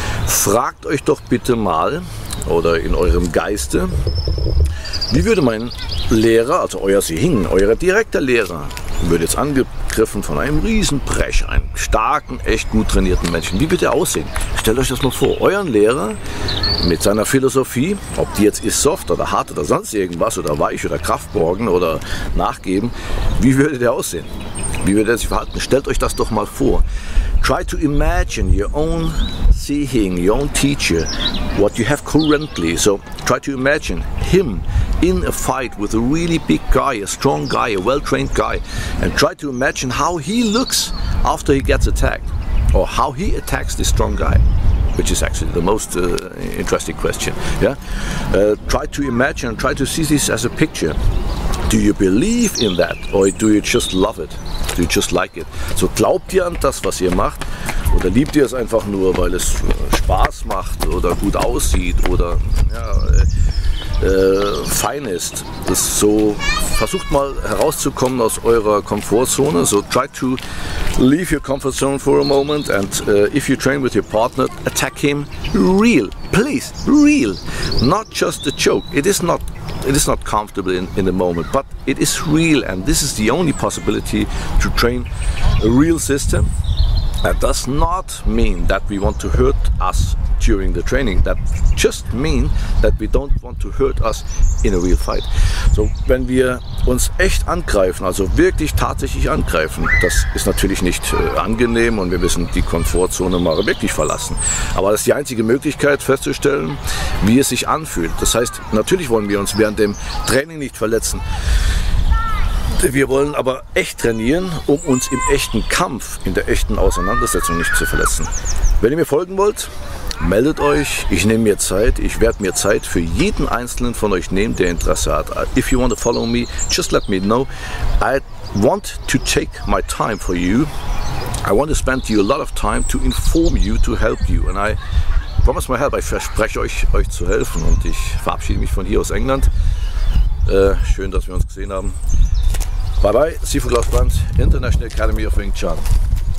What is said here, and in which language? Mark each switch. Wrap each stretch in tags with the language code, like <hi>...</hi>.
<de>Fragt euch doch bitte mal oder in eurem Geiste, wie würde mein Lehrer, also euer Sihing, euer direkter Lehrer, würde jetzt angegriffen von einem Riesenbrecher, einem starken, echt gut trainierten Menschen. Wie wird er aussehen? Stellt euch das mal vor. Euren Lehrer mit seiner Philosophie, ob die jetzt ist soft oder hart oder sonst irgendwas oder weich oder kraftborgen oder nachgeben, wie würde der aussehen? Wie würde er sich verhalten? Stellt euch das doch mal vor.</de> <en>Try to imagine your own seeing, your own teacher, what you have currently. So try to imagine him in a fight with a really big guy, a strong guy, a well-trained guy, and try to imagine how he looks after he gets attacked, or how he attacks this strong guy, which is actually the most interesting question. Yeah. Try to imagine, try to see this as a picture. Do you believe in that, or do you just love it? Do you just like it?</en> <de>So glaubt ihr an das, was ihr macht, oder liebt ihr es einfach nur, weil es Spaß macht oder gut aussieht oder ja, fein ist? Das so, versucht mal herauszukommen aus eurer Komfortzone.</de> <en>So try to leave your comfort zone for a moment and if you train with your partner, attack him real, please, real, not just a joke. It is not comfortable in the moment, but it is real and this is the only possibility to train a real system. That does not mean that we want to hurt us during the training. That just means that we don't want to hurt us in a real fight.</en> <de>So, wenn wir uns echt angreifen, also wirklich tatsächlich angreifen, das ist natürlich nicht angenehm und wir müssen die Komfortzone mal wirklich verlassen. Aber das ist die einzige Möglichkeit festzustellen, wie es sich anfühlt. Das heißt, natürlich wollen wir uns während dem Training nicht verletzen. Wir wollen aber echt trainieren, um uns im echten Kampf, in der echten Auseinandersetzung nicht zu verletzen. Wenn ihr mir folgen wollt, meldet euch. Ich nehme mir Zeit. Ich werde mir Zeit für jeden Einzelnen von euch nehmen, der Interesse hat.</de> <en>If you want to follow me, just let me know. I want to take my time for you. I want to spend you a lot of time to inform you, to help you. And I promise my help.</en> <de>Ich verspreche euch zu helfen. Und ich verabschiede mich von hier aus England. Schön, dass wir uns gesehen haben. Bye bye, Sifu Klaus Brandt, International Academy of Wing Chun.</de>